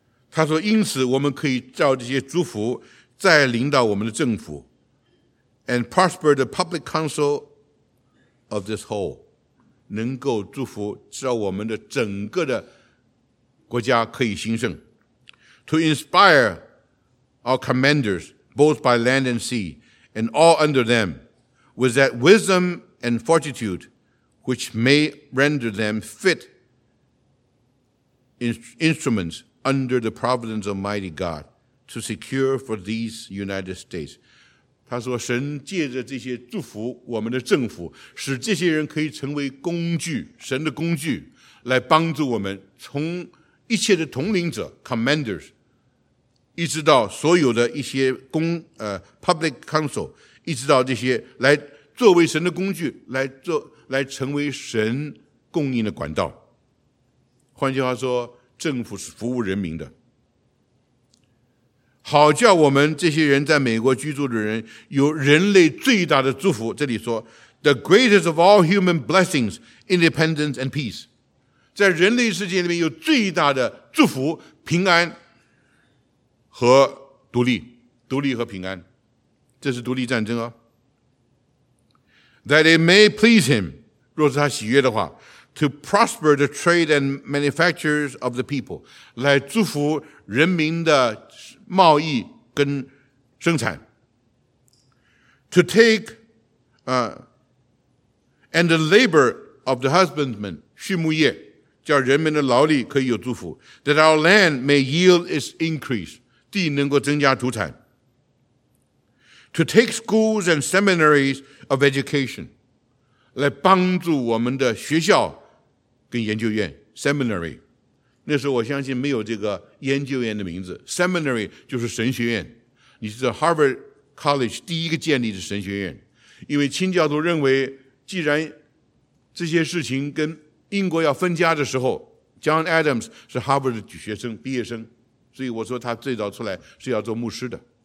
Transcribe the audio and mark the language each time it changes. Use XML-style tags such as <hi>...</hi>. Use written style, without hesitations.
<zh>他说因此我们可以照这些祝福再领导我们的政府</zh> <en>and prosper the public council of this whole，</en> <zh>能够祝福照我们的整个的国家可以兴盛。</zh> <en>To inspire our commanders both by land and sea and all under them with that wisdom and fortitude which may render them fit instrumentsunder the providence of mighty God to secure for these United States.</en> <zh>他说神借着这些祝福我们的政府，使这些人可以成为工具，神的工具，来帮助我们从一切的统领者 commanders 一直到所有的一些public council， 一直到这些来作为神的工具，来成为神供应的管道。换句话说，政府是服务人民的，好叫我们这些人在美国居住的人有人类最大的祝福。这里说</zh> <en>The greatest of all human blessings, independence and peace，</en> <zh>在人类世界里面有最大的祝福，平安和独立，独立和平安，这是独立战争啊。</zh> <en>That it may please him，</en> <zh>若是他喜悦的话，</zh> <en>to prosper the trade and manufactures of the people，</en> <zh>来祝福人民的贸易跟生产。</zh> <en>to take and the labor of the husbandman，</en> <zh>畜牧业，叫人民的劳力可以有祝福。</zh> <en>that our land may yield its increase，</en> <zh>地能够增加土产。</zh> <en>to take schools and seminaries of education，</en> <zh>来帮助我们的学校跟研究院 seminary， 那时候我相信没有这个研究院的名字， seminary 就是神学院。你知道 Harvard College 第一个建立的神学院，因为清教徒认为既然这些事情跟英国要分家的时候， John Adams 是 Harvard 的学生毕业生，所以我说他最早出来是要做牧师的。</zh>